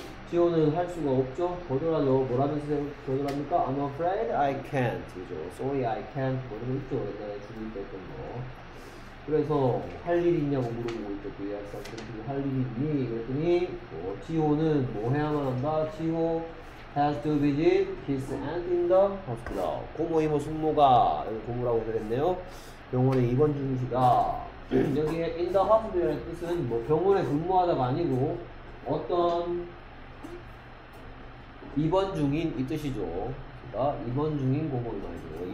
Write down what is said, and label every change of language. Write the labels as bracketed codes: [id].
[ko] 지호는 할 수가 없죠. 거절하죠. 뭐라면서 거절합니까? [en] I'm afraid I can't. 그죠. Sorry, I can't. 뭐 이런 거 있죠. [ko] 옛날에 주문 때였던 거. 그래서 할 일이 있냐고 물어보고 있죠. 그 약사들이 할 일이 있니? 그랬더니 뭐, 지호는 뭐 해야만 한다? [en] 지호 has to visit his aunt in the hospital. [ko] 고모, 이모, 숙모가 고모라고 그랬네요. 병원에 입원 중이시다. 여기에 in the hospital의 뜻은 뭐 병원에 근무하다가 아니고 어떤 입원 중인 이 뜻이죠. 그러니까 입원 중인 고모를 말해요.